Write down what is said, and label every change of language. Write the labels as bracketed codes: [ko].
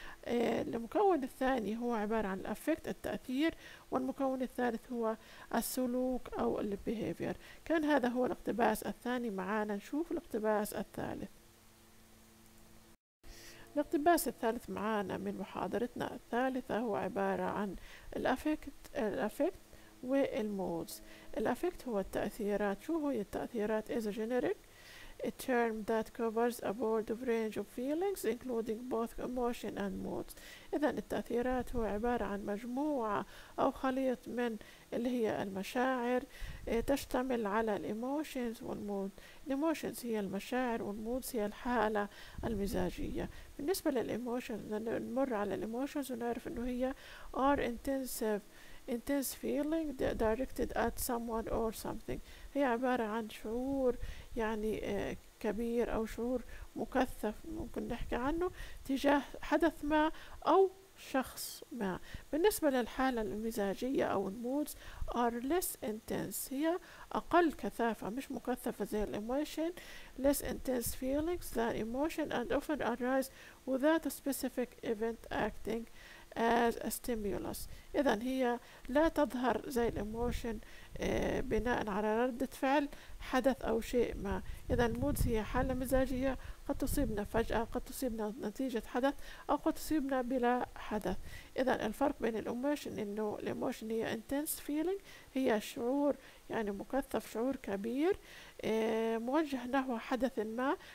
[ar] المكون الثاني هو عبارة عن الأفكت، التأثير، والمكون الثالث هو السلوك أو البيهيفير. كان هذا هو الاقتباس الثاني معانا. نشوف الاقتباس الثالث. الاقتباس الثالث معانا من محاضرتنا الثالثة هو عبارة عن الأفكت والمودز. الأفكت هو التأثيرات. شو هي التأثيرات؟ [en] is a generic a term that covers a broad range of feelings including both emotion and moods. [ar] إذا التأثيرات هو عبارة عن مجموعة أو خليط من اللي هي المشاعر، تشتمل على الإيموشنز والمود. الإيموشنز هي المشاعر والمودز هي الحالة المزاجية. بالنسبة للإيموشنز نمر على الإيموشنز ونعرف إنه هي [en] are intense feeling directed at someone or something. [ar] هي عبارة عن شعور يعني كبير أو شعور مكثف ممكن نحكي عنه تجاه حدث ما أو شخص ما. بالنسبة للحالة المزاجية أو المودز [en] are less intense، [ar] هي أقل كثافة، مش مكثفة زي الإيموشن. [en] less intense feelings than emotion and often arise without a specific event acting as a stimulus. [ar] إذا هي لا تظهر زي الإيموشن بناء على ردة فعل حدث أو شيء ما. إذا المودز هي حالة مزاجية قد تصيبنا فجأة، قد تصيبنا نتيجة حدث، أو قد تصيبنا بلا حدث. إذا الفرق بين الإيموشن إنه الإيموشن هي [en] intense feeling، [ar] هي شعور يعني مكثف، شعور كبير موجه نحو حدث ما.